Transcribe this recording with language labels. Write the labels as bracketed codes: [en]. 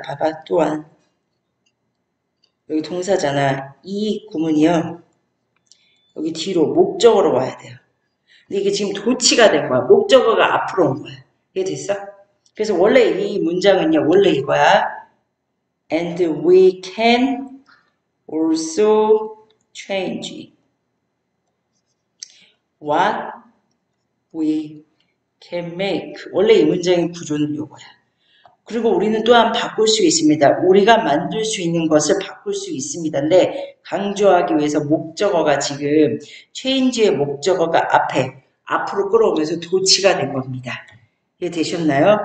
[ko] 봐봐 또한 여기 동사잖아. 이 구문이요. 여기 뒤로 목적으로 와야 돼요. 근데 이게 지금 도치가 된 거야. 목적어가 앞으로 온 거야. 이해됐어? 그래서 원래 이 문장은요, 원래 이거야. [en] And we can also change what we can make. [ko] 원래 이 문장의 구조는 이거야. 그리고 우리는 또한 바꿀 수 있습니다. 우리가 만들 수 있는 것을 바꿀 수 있습니다인데, 강조하기 위해서 목적어가 지금 change의 목적어가 앞에 앞으로 끌어오면서 도치가 된 겁니다. 되셨나요?